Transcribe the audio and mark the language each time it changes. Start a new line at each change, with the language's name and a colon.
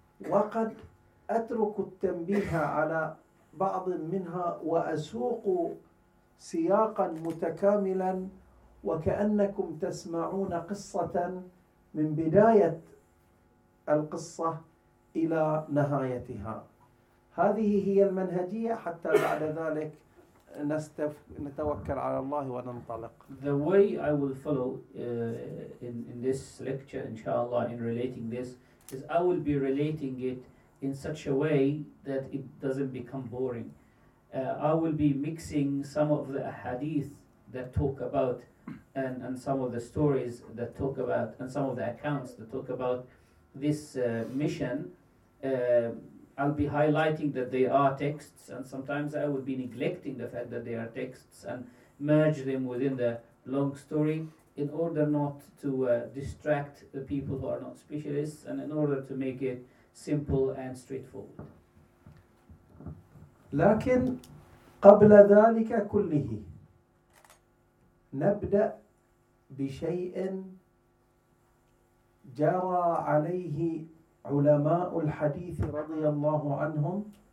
Arabic: وقد أترك التنبيه على بعض منها وأسوق سياقا متكاملا وكأنكم تسمعون قصة من بداية القصة إلى نهايتها. هذه هي المنهجية حتى بعد ذلك نتوكل على الله وننطلق.
English: The way I will follow in this lecture inshallah in relating this is I will be relating it in such a way that it doesn't become boring. I will be mixing some of the hadith that talk about and some of the stories that talk about and some of the accounts that talk about this mission. I'll be highlighting that they are texts, and sometimes I would be neglecting the fact that they are texts and merge them within the long story in order not to distract the people who are not specialists and in order to make it simple and straightforward.
Arabic: لكن قبل ذلك كله نبدأ بشيء جرى عليه علماء الحديث رضي الله عنهم